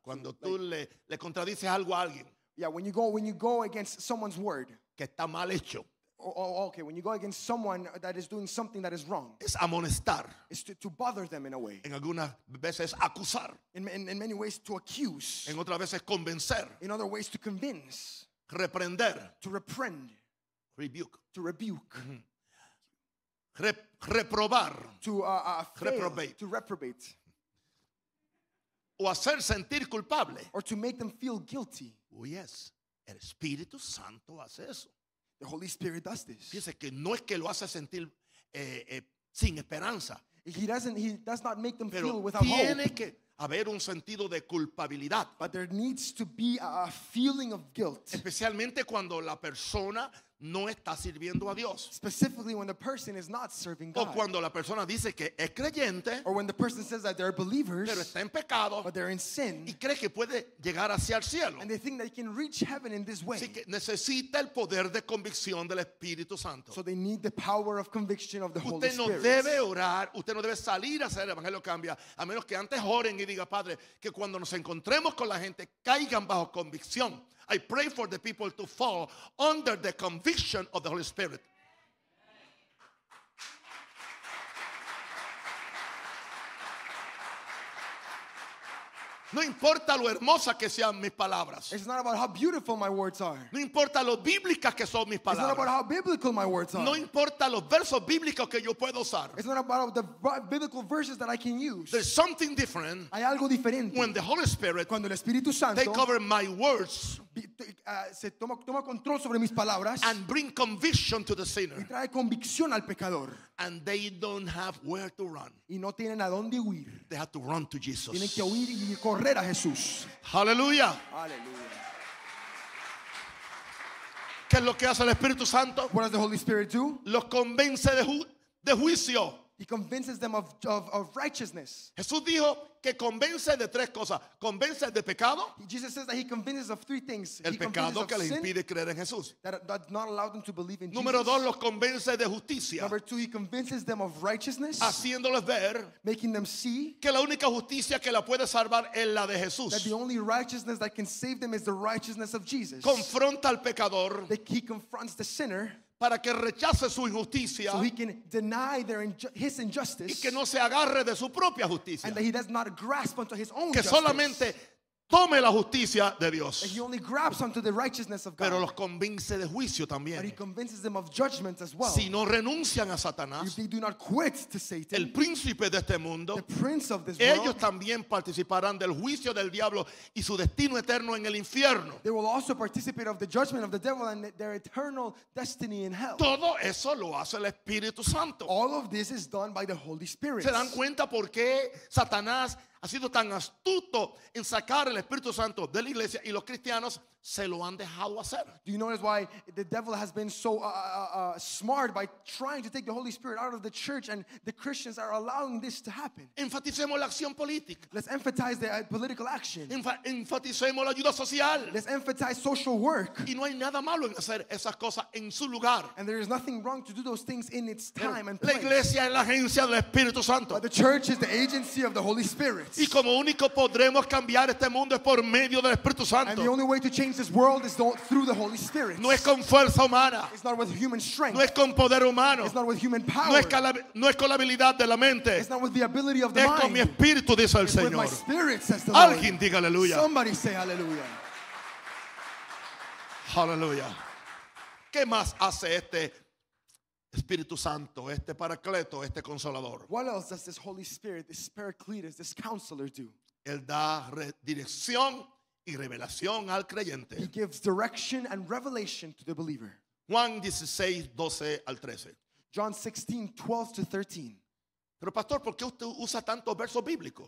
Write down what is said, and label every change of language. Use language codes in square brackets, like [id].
[es] Cuando tú le contradices algo a alguien. [en] Yeah, when you go against someone's word. [es] Que está mal hecho. [en] Okay, when you go against someone that is doing something that is wrong, [es] es amonestar. [en] It's to bother them in a way. [es] En algunas veces acusar. [en] In many ways to accuse. [es] En otras veces convencer. [en] In other ways to convince. [es] Reprender. [en] To reprend. Rebuke. To rebuke. [es] Reprobar. [en] To fail. To reprobate. [es] O hacer sentir culpable. [en] Or to make them feel guilty. Oh, yes. [es] El Espíritu Santo hace eso. [en] The Holy Spirit does this. [es] Fíjese que no es que lo hace sentir sin esperanza. [en] He does not make them [es] pero [en] feel without [es] tiene [en] hope. [es] Que haber un sentido de culpabilidad. [en] But there needs to be a feeling of guilt. [es] Especialmente cuando la persona no está sirviendo a Dios. [en] Specifically when the person is not serving God. [es] O cuando la persona dice que es creyente. [en] Or when the person says that they're believers. [es] Pero está en pecado. [en] But they're in sin. [es] Y cree que puede llegar hacia el cielo. [en] And they think that they can reach heaven in this way. [es] Así que necesita el poder de convicción del Espíritu Santo. [en] So they need the power of conviction of the [es] usted [en] Holy Spirit. [es] Usted no debe orar. Usted no debe salir a hacer el Evangelio cambia. A menos que antes oren y diga, Padre, que cuando nos encontremos con la gente caigan bajo convicción. [en] I pray for the people to fall under the conviction of the Holy Spirit. [es] No importa lo hermosa que sean mis palabras. [en] It's not about how beautiful my words are. [es] No importa lo bíblica que son mis palabras. [en] It's not about how biblical my words are. [es] No importa los versos bíblicos que yo puedo usar. [en] It's not about the biblical verses that I can use. There's something different. [es] Hay algo diferente. [en] When the Holy Spirit, [es] cuando el Espíritu Santo, [en] take over my words. [es] Se toma control sobre mis palabras. [en] And bring conviction to the sinner. [es] Y trae convicción al pecador. [en] And they don't have where to run. [es] Y no tienen a dónde huir. [en] They have to run to Jesus. [es] Tienen que huir y correr a Jesús. [en] Hallelujah. Hallelujah. [es] ¿Qué es lo que hace el Espíritu Santo? [en] What does the Holy Spirit do? [es] Los convence de juicio. [en] He convinces them of righteousness. [es] Jesús dijo que convence de tres cosas. Convence de pecado. [en] Jesus says that he convinces of three things. [es] El pecado que les impide creer en Jesús. [en] That does not allow them to believe in Jesus. [es] Número dos, los convence de justicia. [en] Number two, he convinces them of righteousness. [es] Haciéndoles ver. [en] Making them see. [es] Que la única justicia que la puede salvar es la de Jesús. [en] That the only righteousness that can save them is the righteousness of Jesus. [es] Confronta al pecador. [en] That he confronts the sinner. [es] Para que rechace su injusticia. [en] So he can deny his injustice. [es] Y que no se agarre de su propia justicia. [en] And that he does not grasp onto his own [es] que [en] justice. [es] Solamente tome la justicia de Dios. [en] And he only grabs onto the righteousness of God. [es] Pero los convence de juicio también. [en] But he convinces them of judgment as well. [es] Si no renuncian a Satanás. [en] If they do not quit to Satan. [es] El príncipe de este mundo. [en] The prince of this [es] ellos [en] world. [es] Ellos también participarán del juicio del diablo y su destino eterno en el infierno. [en] They will also participate of the judgment of the devil and their eternal destiny in hell. [es] Todo eso lo hace el Espíritu Santo. [en] All of this is done by the Holy Spirit. [es] ¿Se dan cuenta por qué Satanás ha sido tan astuto en sacar el Espíritu Santo de la iglesia y los cristianos se lo han dejado hacer? [en] Do you notice why the devil has been so smart by trying to take the Holy Spirit out of the church and the Christians are allowing this to happen? [es] Enfaticemos la acción política. [en] Let's emphasize the political action. [es] Enfaticemos la ayuda social. [en] Let's emphasize social work. [es] Y no hay nada malo en hacer esas cosas en su lugar. [en] And there is nothing wrong to do those things in its time and place. [es] La iglesia es la agencia del Espíritu Santo. [en] But the church is the agency of the Holy Spirit. [es] Y como único podremos cambiar este mundo es por medio del Espíritu Santo. [en] And the only way to change this world is through the Holy Spirit. [es] No es con fuerza humana. [en] It's not with human strength. [es] No es con poder humano. [en] It's not with human power. [es] No es con la habilidad de la mente. [en] It's not with the ability of the mind. [es] Es con mi espíritu, dice el Señor. [en] It's with my spirit, says the [es] Lord. Alguien diga aleluya. [en] Somebody say hallelujah. Hallelujah. [es] ¿Qué más hace este Espíritu Santo, este paracleto, este consolador? [en] What else does this Holy Spirit, this paracletus, this counselor do? [es] Él da dirección y revelación al creyente. [en] He gives direction and revelation to the believer. [es] Juan 16, 12 al 13. [en] John 16, 12 to 13. [es] Pero pastor, ¿por qué usted usa tantos versos bíblicos?